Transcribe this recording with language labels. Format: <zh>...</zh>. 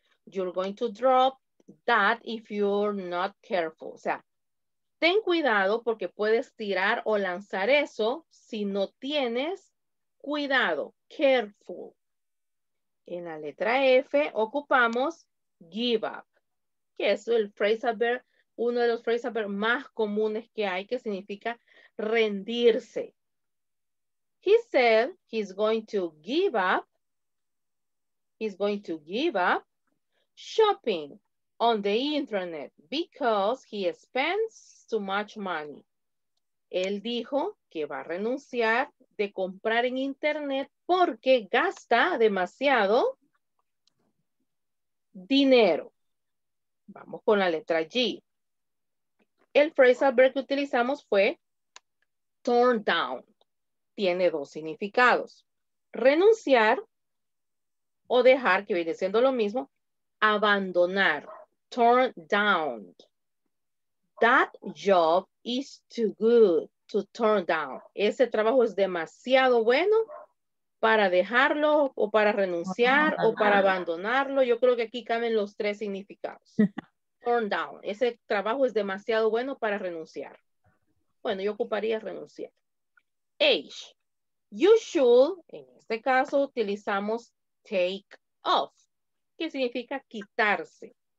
<en>You're going to drop that if you're not careful.</en> <es>O sea, ten cuidado porque puedes tirar o lanzar eso si no tienes cuidado.</es> <en>Careful.</en> <es>En la letra F ocupamos give up, que es el phrasal verb, uno de los phrasal verb más comunes que hay, que significa rendirse.</es> <en>He said he's going to give up shopping on the internet because he spends too much money.</en> <es>Él dijo que va a renunciar de comprar en internet porque gasta demasiado dinero. Vamos con la letra G. El phrasal verb que utilizamos fue torn down. Tiene dos significados. Renunciar o dejar, que viene siendo lo mismo, abandonar.</es> <en>Torn down. That job is too good to turn down.</en> <es>Ese trabajo es demasiado bueno para dejarlo o para renunciar o para abandonarlo. Yo creo que aquí caben los tres significados. Turn down. Ese trabajo es demasiado bueno para renunciar. Bueno, yo ocuparía renunciar. H.</es> <en>You should,</en> <es>en este caso utilizamos take off, que significa quitarse.</es>